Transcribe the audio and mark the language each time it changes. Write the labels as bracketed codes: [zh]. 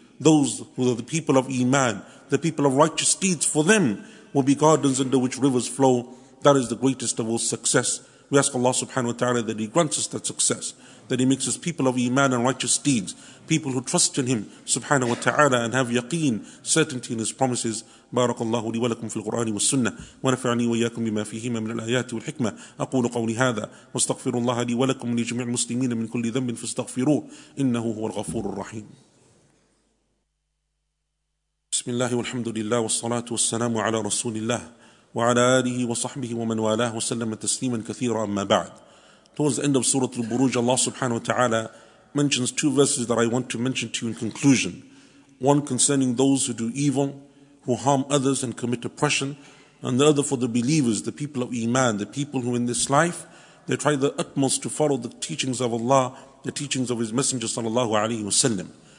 [en] Those who are the people of Iman, the people of righteous deeds, for them will be gardens under which rivers flow. That is the greatest of all success. We ask Allah subhanahu wa ta'ala that He grants us that success, that He makes us people of Iman and righteous deeds, people who trust in Him subhanahu wa ta'ala and have yaqeen, certainty in His promises. [ar] بارك الله لي ولكم في القرآن والسنة ونفعني وإياكم بما فيهما من الآيات والحكمة. أقول قولي هذا واستغفر الله لي ولكم لجميع المسلمين من كل ذنب فاستغفروه إنه هو الغفور الرحيم. بسم الله والحمد لله والصلاة والسلام على رسول الله وعلى آله وصحبه ومن والاه وسلم تسليما كثيرا. أما بعد, [en] towards the end of Surah Al-Buruj, Allah subhanahu wa ta'ala mentions two verses that I want to mention to you in conclusion. One concerning those who do evil, who harm others and commit oppression, and the other for the believers, the people of Iman, the people who in this life, they try the utmost to follow the teachings of Allah, the teachings of His Messenger sallallahu alayhi wa sallam.